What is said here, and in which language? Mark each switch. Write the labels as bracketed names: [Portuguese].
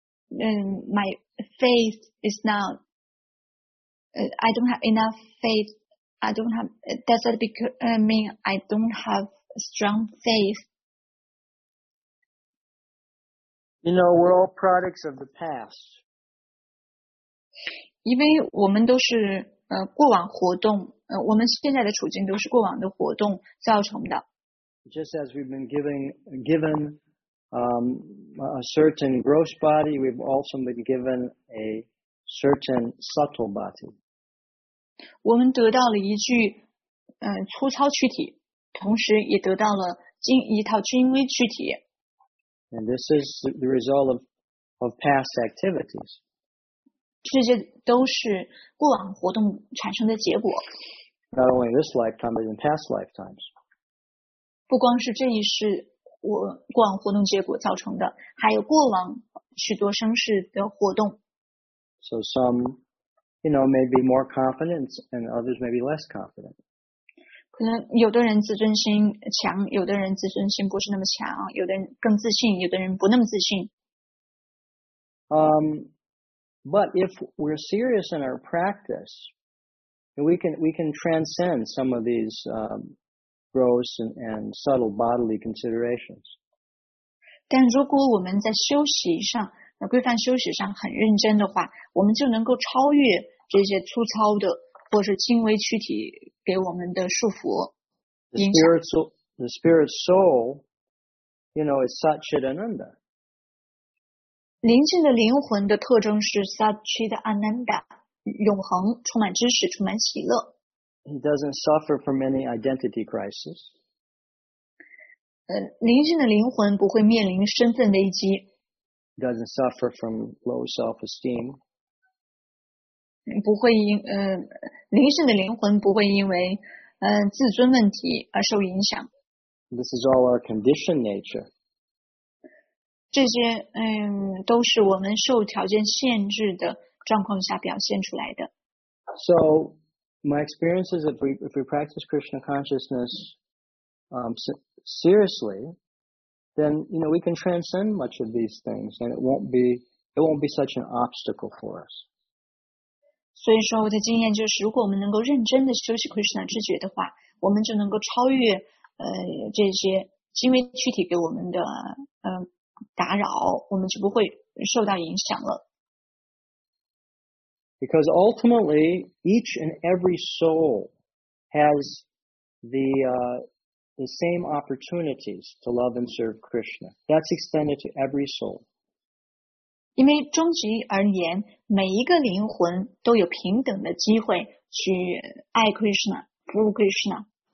[English] my faith is not, I don't have enough faith. I don't have, does that mean I don't have strong faith? You know, we're all products of the past. [Chinese] 因为我们都是过往活动，我们现在的处境都是过往的活动造成的。 [English] Just as we've been given. A certain gross body, we've also been given a certain subtle body. [Chinese] 我们得到了一具粗糙躯体，同时也得到了一套精微躯体。 [English] And this is the result of past activities. [Chinese] 这些都是过往活动产生的结果。 [English] Not only this lifetime, but in past lifetimes. [Chinese] 不光是这一世我过往活动结果造成的，还有过往许多生世的活动。 [English] So some, you know, may be more confident, and others may be less confident. [Chinese] 可能有的人自尊心强，有的人自尊心不是那么强，有的人更自信，有的人不那么自信。 [English] But if we're serious in our practice, we can transcend some of these. Gross and subtle bodily considerations. [Chinese] 但如果我们在修习上，规范修习上很认真的话，我们就能够超越这些粗糙的或是轻微躯体给我们的束缚。 [English] The spirit soul, you know, is Satchitananda. [Chinese] 灵性的灵魂的特征是 Satchitananda, 永恒，充满知识，充满喜乐。 [English] He doesn't suffer from any identity crisis. [Chinese] 灵性的灵魂不会面临身份危机。 [English] He doesn't suffer from low self-esteem. [Chinese] 不会因灵性的灵魂不会因为自尊问题而受影响。 [English] This is all our conditioned nature. [Chinese] 这些都是我们受条件限制的状况下表现出来的。 [English] So, my experience is if we practice Krishna consciousness seriously, then you know we can transcend much of these things, and it won't be such an obstacle for us. [Chinese] 所以说我的经验就是，如果我们能够认真的修习 Krishna 知觉的话，我们就能够超越这些轻微躯体给我们的打扰，我们就不会受到影响了。 [English] Because ultimately, each and every soul has the same opportunities to love and serve Krishna. That's extended to every soul. [Chinese] 因为终极而言，每一个灵魂都有平等的机会去爱 Krishna, 服务 Krishna.